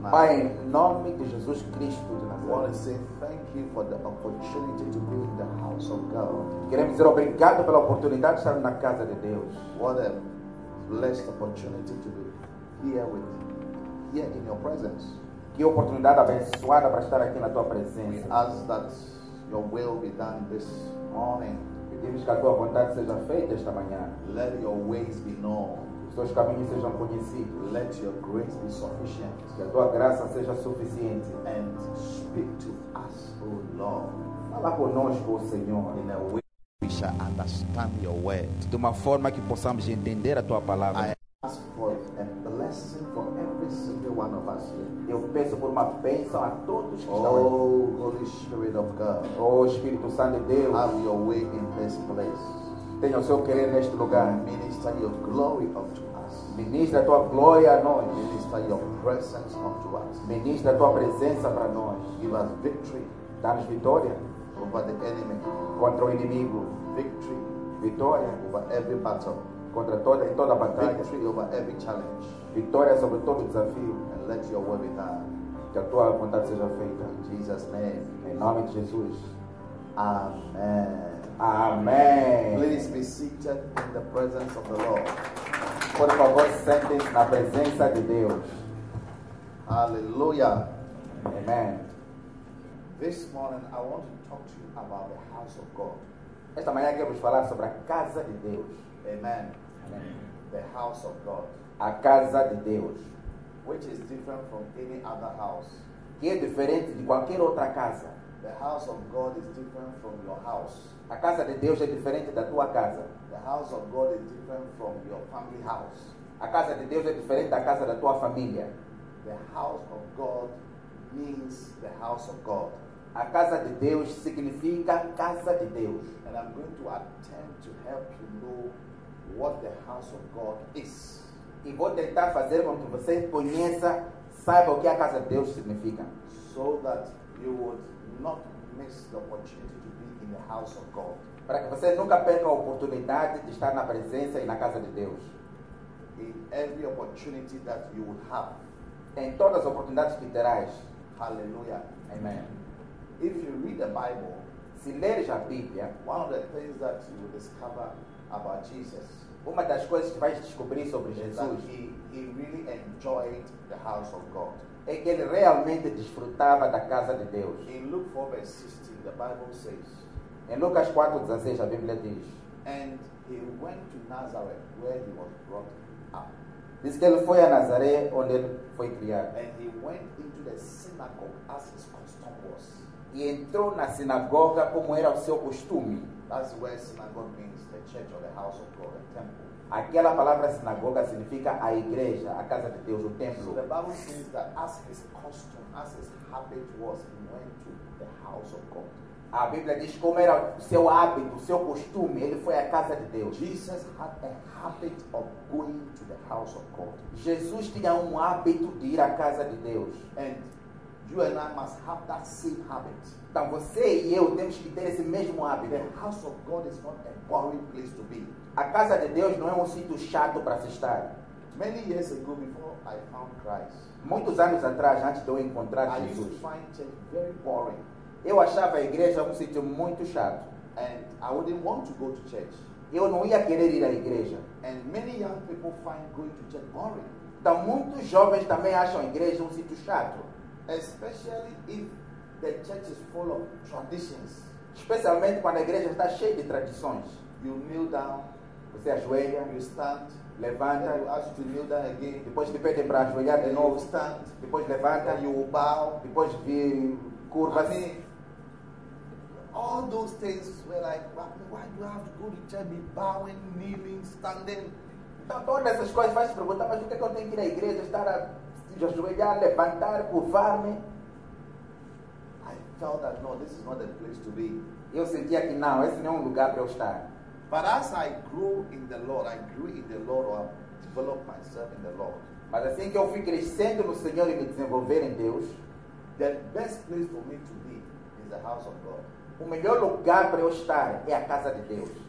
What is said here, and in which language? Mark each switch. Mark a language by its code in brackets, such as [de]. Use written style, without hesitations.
[pt] Pai, em nome de Jesus Cristo de Nazaré. [en] I want to say thank you for the opportunity to be in the house of God. [pt] Queremos dizer obrigado pela oportunidade de estar na casa de Deus. [en] What a blessed opportunity to be here with you, here in your presence. [pt] Que oportunidade abençoada para estar aqui na tua presença. [en] We ask that your will be done this morning. [pt] Pedimos que a tua vontade seja feita esta manhã. [en] Let your ways be known. [pt] Que os teus caminhos sejam conhecidos. [en] Let your grace be sufficient. [pt] Que a tua graça seja suficiente. [en] And speak to us, O Lord. [pt] Fala conosco, Senhor. [en] In a way we shall understand your word. [pt] De uma forma que possamos entender a tua palavra. [en] I ask for a blessing for every single one of us here. [pt] Eu peço por uma bênção a todos que estão aqui. [en] Oh, Holy Spirit of God. [pt] Oh, Espírito Santo de Deus. [en] Have your way in this place. [pt] Tenha o seu querer neste lugar. [en] Minister your glory unto us. [pt] Ministra a tua glória a nós. [en] Minister your presence unto us. [pt] Ministra a tua presença para nós. [en] Give us victory. [pt] Dá-nos vitória. [en] Over the enemy. [pt] Contra o inimigo. [en] Victory. [pt] Vitória. [en] Over every battle. [pt] Contra toda e toda batalha. [en] Victory over every challenge. [pt] Vitória sobre todo desafio. [en] And let your word be done. [pt] Que a tua vontade seja feita. [en] In Jesus' name. [pt] Em nome de Jesus. [en] Amen. [pt] Amen. [en] Please be seated in the presence of the Lord. [pt] Por favor, sente-se na presença de Deus. [en] Hallelujah. [pt] Amen. [en] This morning I want to talk to you about the house of God. [pt] Esta manhã quero vos falar sobre a casa de Deus. [en] Amen. [pt] Amen. [en] The house of God. [pt] A casa de Deus. [en] Which is different from any other house. [pt] Que é diferente de qualquer outra casa. [en] The house of God is different from your house. [pt] A casa de Deus é diferente da tua casa. [en] The house of God is different from your family house. [pt] A casa de Deus é diferente da casa da tua família. [en] The house of God means the house of God. [pt] A casa de Deus significa casa de Deus. [en] And I'm going to attempt to help you know what the house of God is. [pt] E vou tentar fazer com que você conheça, saiba o que a casa de Deus significa. [en] So that you would not miss the opportunity to be in the house of God. [pt] Para que você nunca perca a oportunidade de estar na presença e na casa de Deus. [en] In every opportunity that you will have. [pt] Em todas as oportunidades que terás. [en] Hallelujah. [pt] Amen. [en] If you read the Bible, [pt] se leres a Bíblia, [en] one of the things that you will discover about Jesus, [pt] uma das coisas que vais descobrir sobre Jesus, [en] he really enjoyed the house of God. [pt] É que ele realmente desfrutava da casa de Deus. [en] In Luke 4, verse 16, the Bible says, [pt] em Lucas 4, 16, a Bíblia diz, [en] and he went to Nazareth, where he was brought up. [pt] Diz que ele foi a Nazaré, onde ele foi criado. [en] And he went into the synagogue, as his custom was. [pt] E entrou na sinagoga como era o seu costume. [en] That's where synagogue means the church or the house of God, the temple. [pt] Aquela palavra sinagoga significa a igreja, a casa de Deus, o templo. [en] So the Bible says that as his custom, as his habit was, he went to the house of God. [pt] A Bíblia diz como era o seu hábito, o seu costume, ele foi à casa de Deus. [en] Jesus had a habit of going to the house of God. [pt] Jesus tinha hábito de ir à casa de Deus. [en] And you and I must have that same habit. [pt] Então você e eu temos que ter esse mesmo hábito. [en] The house of God is not a boring place to be. [pt] A casa de Deus não é sítio chato para se estar. [en] Many years ago, before I found Christ, [pt] muitos anos atrás, antes de eu encontrar [en] I [pt] Jesus, [en] I used to find church very boring. [pt] Eu achava a igreja sítio muito chato. [en] And I wouldn't want to go to church. [pt] Eu não ia querer ir à igreja. [en] And many young people find going to church boring. [pt] Então muitos jovens também acham a igreja sítio chato. [en] Especially if the church is full of traditions. [pt] Especialmente quando a igreja está cheia de tradições. [en] You kneel down. [pt] Você ajoelha. [en] You stand. [pt] Levanta. [en] You ask to kneel down again. [pt] Depois te pedem para ajoelhar de novo. [en] You stand. [pt] Depois levanta. [en] You bow. [pt] Depois curva. [en] I mean, all those things were like, why do I have to go to church? Be bowing, kneeling, standing. [pt] Então todas essas coisas faz se perguntar, mas o que é que eu tenho que ir à igreja? Estar a ajoelhar, levantar, curvar-me. [en] felt that no, this is not the place to be. [pt] Eu sentia que não, esse não é lugar para eu estar. [en] But as I grew in the Lord, I grew in the Lord, or developed myself in the Lord. [pt] Mas assim que eu fui crescendo no Senhor e me desenvolver em Deus, [en] the best place for me to be is the house of God. [pt] O melhor lugar para eu estar é a casa de Deus.